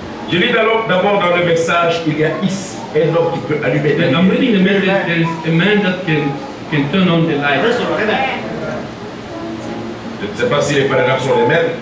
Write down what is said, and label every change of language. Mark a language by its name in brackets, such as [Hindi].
[French] Je lis d'abord dans le message, il y a ici un homme qui peut allumer la lumière. [English] I'm reading the message, there is a man that can turn on the light. [French] Je ne sais pas si les paragraphes sont les mêmes.